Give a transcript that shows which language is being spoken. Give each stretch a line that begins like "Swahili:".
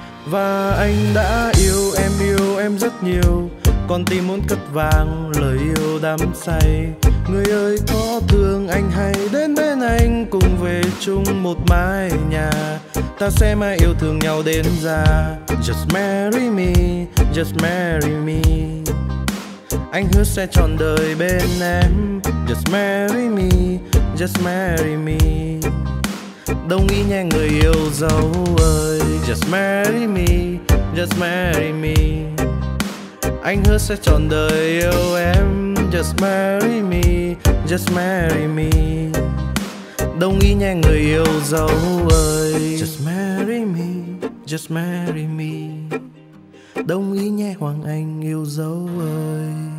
Vietnamese: Và anh đã yêu em rất nhiều. Con tim muốn cất vàng lời yêu đắm say. Người ơi có thương anh hãy đến bên anh, cùng về chung một mái nhà. Ta sẽ mãi yêu thương nhau đến già.
English: Just marry me, just marry me.
Vietnamese: Anh hứa sẽ trọn đời bên em.
English: Just marry me, just marry me.
Vietnamese: Đồng ý nhé người yêu dấu ơi.
English: Just marry me, just marry me.
Vietnamese: Anh hứa sẽ trọn đời yêu em.
English: Just marry me, just marry me.
Vietnamese: Đồng ý nhé người yêu dấu ơi.
English: Just marry me, just marry me.
Vietnamese: Đồng ý nhé Hoàng Anh yêu dấu ơi.